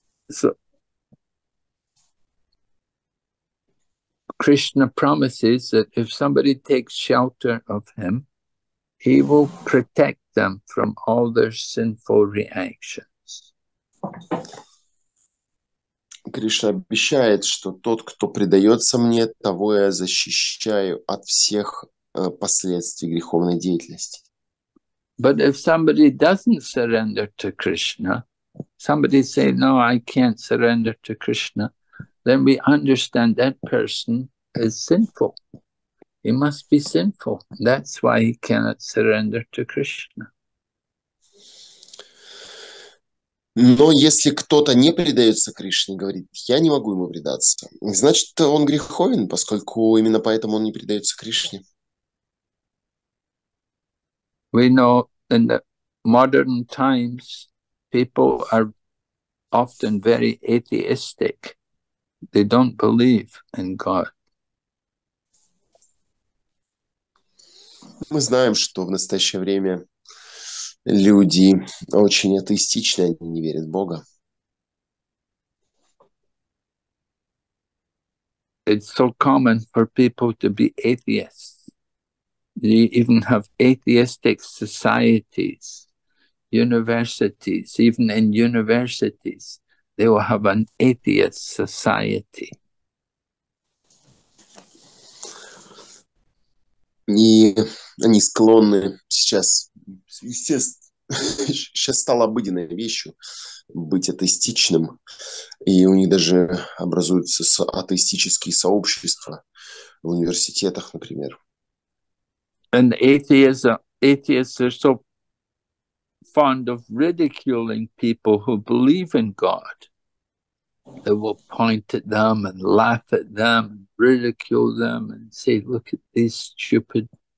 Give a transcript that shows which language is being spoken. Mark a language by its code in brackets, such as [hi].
[en] So, Krishna promises that if somebody takes shelter of him, he will protect them from all their sinful reactions. [ru] Кришна обещает, что тот, кто предается мне, того я защищаю от всех последствий греховной деятельности. [en] But if somebody doesn't surrender to Krishna, somebody say, no, I can't surrender to Krishna, then we understand that person is sinful. He must be sinful. That's why he cannot surrender to Krishna. [ru] Но если кто-то не предается Кришне, говорит, я не могу ему предаться, значит, он греховен, поскольку именно поэтому он не предается Кришне. [en] We know in the modern times people are often very atheistic. They don't believe in God. [ru] Мы знаем, что в настоящее время люди очень атеистичны, они не верят в Бога. [en] It's so common for people to be atheists. You even have atheistic societies, universities. Even in universities, they will have an atheist society. [ru] И они склонны сейчас, естественно, сейчас стало обыденной вещью быть атеистичным, и у них даже образуются атеистические сообщества в университетах, например. [en] And atheists are so fond of ridiculing people who believe in God. They will point at them and laugh at them, ridicule them and say, look at these stupid.